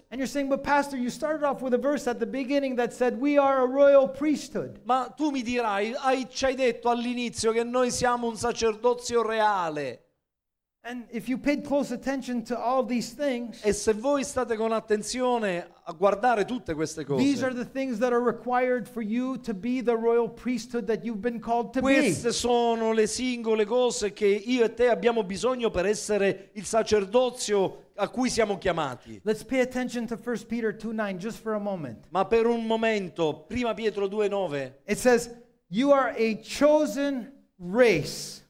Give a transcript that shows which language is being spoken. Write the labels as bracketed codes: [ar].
[en] And you're saying, but pastor, you started off with a verse at the beginning that said we are a royal priesthood. [it] Ma tu mi dirai, ci hai detto all'inizio che noi siamo un sacerdozio reale. [en] And if you paid close attention to all these things, [it] e se voi state con attenzione a guardare tutte queste cose, [en] these are the things that are required for you to be the royal priesthood that you've been called to [it] queste [en] be. [it] Queste sono le singole cose che io e te abbiamo bisogno per essere il sacerdozio a cui siamo chiamati. [en] Let's pay attention to 1 Peter 2:9 just for a moment. [it] Ma per un momento, 1 Pietro 2:9. [en] It says, "You are a chosen race."